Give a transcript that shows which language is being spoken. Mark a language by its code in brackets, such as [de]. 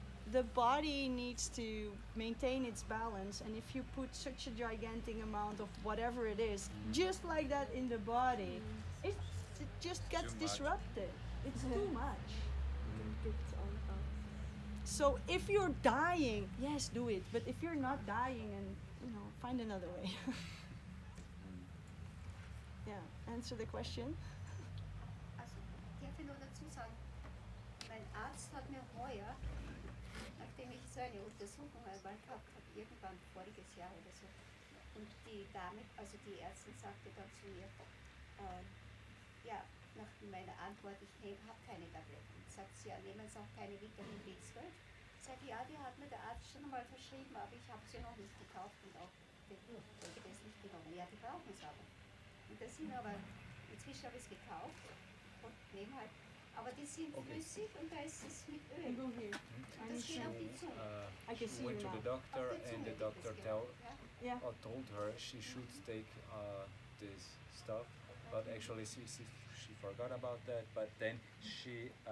[en] The body needs to maintain its balance, and if you put such a gigantic amount of whatever it is just like that in the body, it just gets disrupted. It's too much. So if you're dying, yes, do it. But if you're not dying, and you know, find another way. Yeah, answer the question. [de] Also, ich darf nur dazu sagen, mein Arzt hat mir heuer, nachdem ich so eine Untersuchung einmal gehabt habe, irgendwann voriges Jahr oder so, und die Dame, also die Ärztin sagte dann zu mir, ja, nach meiner Antwort, ich habe keine Tabletten. Sagt sie, ja, nehmen Sie auch keine Vitamin B12? Sagt sie, ja, die hat mir der Arzt schon einmal verschrieben, aber ich habe sie noch nicht gekauft und auch das nicht genommen. Ja, die brauchen es aber. Und das sind aber, inzwischen habe ich es gekauft und nehme halt. Aber die sind flüssig und da ist es mit Öl. Und das geht auf die Zunge. [en] She went to the doctor and the doctor told her she should take this stuff. But actually she forgot about that, but then she